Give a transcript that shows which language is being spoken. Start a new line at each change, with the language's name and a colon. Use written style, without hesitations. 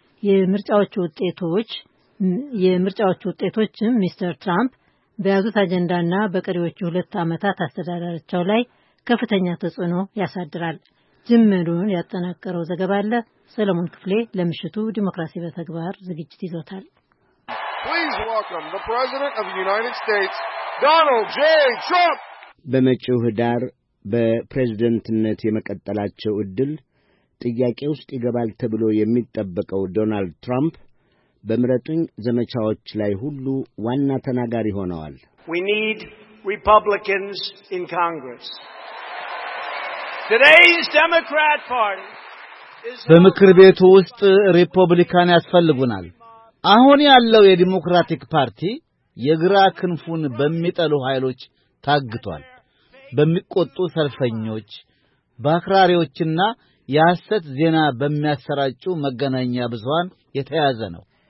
Amharic: የምርጫዎቹ ውጤቶች ሚስተር ትራምፕ በያዙት አጀንዳና በቀሪዎቹ ሁለት አመታት አስተዳደራቸው ላይ ከፍተኛ ተጽዕኖ ያሳድራል። ጅምሩን ያጠናቀረው ዘገባ አለ። ሰለሞን ክፍሌ ለምሽቱ ዲሞክራሲ በተግባር ዝግጅት ይዞታል።
English: Please welcome the President of the United States, Donald J. Trump.
Amharic: በመጪው ህዳር በፕሬዝደንትነት የመቀጠላቸው እድል ጥያቄ ውስጥ ይገባል ተብሎ የሚጠበቀው ዶናልድ ትራምፕ በምረጡኝ ዘመቻዎች ላይ ሁሉ ዋና ተናጋሪ ሆነዋል።
English: We need Republicans in Congress. Today's Democrat Party is
Amharic: በምክር ቤቱ ውስጥ ሪፐብሊካን ያስፈልጉናል። አሁን ያለው የዲሞክራቲክ ፓርቲ የግራ ክንፉን በሚጠሉ ኃይሎች ታግቷል። በሚቆጡ ሰልፈኞች፣ ባክራሪዎችና የሐሰት ዜና በሚያሰራጩ መገናኛ ብዙሃን የተያዘ ነው።